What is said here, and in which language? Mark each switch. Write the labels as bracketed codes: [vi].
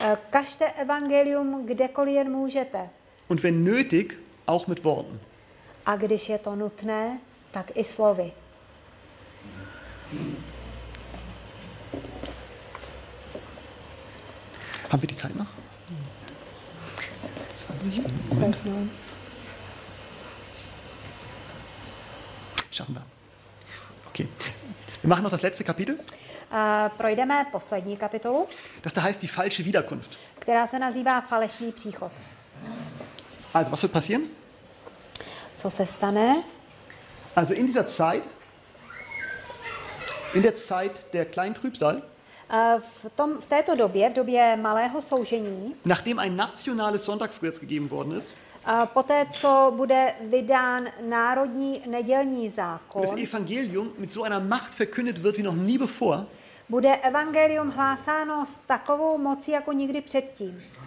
[cs] Kažte evangelium, kdekoliv jen můžete. [de] Und wenn nötig, auch mit Worten. [cs] A když je to nutné, tak i slovy. [de] Haben wir die Zeit noch? 20. Schaffen wir. Okay. Wir machen noch das letzte Kapitel. [cs] Projdeme poslední kapitolu. [de] Das da heißt die falsche Wiederkunft. [cs] Která se nazývá falešný příchod. [de] Also, was wird passieren? [cs] Co se stane? [de] Also in dieser Zeit, in der Zeit der kleinen Trübsal, [cs] V této době, v době malého soužení, [de] nachdem ein nationales Sonntagsgesetz gegeben worden ist, [cs] poté, co bude vydán národní nedělní zákon, [de] das Evangelium mit so einer Macht verkündet wird wie noch nie bevor, [cs] bude evangelium hlásáno s takovou mocí jako nikdy předtím,